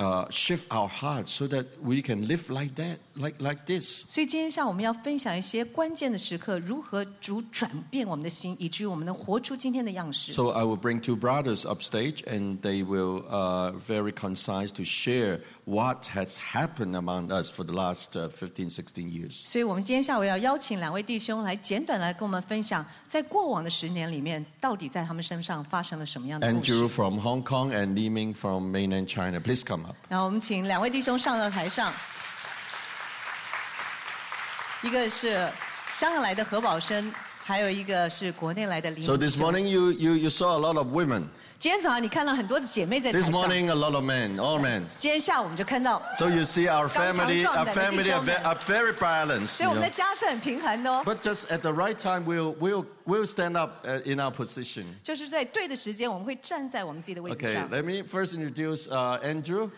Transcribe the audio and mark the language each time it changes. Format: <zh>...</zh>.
<en>Shift our hearts so that we can live like that, like this.</en> <zh>所以今天下午我们要分享一些关键的时刻，如何主转变我们的心，以至于我们能活出今天的样式。</zh> <en>So I will bring two brothers upstage, and they will very concise to share what has happened among us for the last 15, 16 years.</en> <zh>所以我们今天下午要邀请两位弟兄来简短来跟我们分享，在过往的十年里面，到底在他们身上发生了什么样的故事。</zh> <en>Andrew from Hong Kong and Li Ming from mainland China, please come.</en> <zh>然后我们请两位弟兄上到台上，一个是香港来的何宝生，还有一个是国内来的李。</zh> <en>So this morning you saw a lot of women.</en> <zh>今天早上你看到很多的姐妹在台上。</zh> <en>This morning a lot of men, all men.</en> <zh>今天下午我们就看到。</zh> <en>So you see our family are very balanced.</en> <zh>所以我们的家是很平衡的哦。</zh> <en>But just at the right time we'll stand up in our position.</en> <zh>就是在对的时间，我们会站在我们自己的位置上。</zh> <en>Okay, let me first introduce Andrew.</en>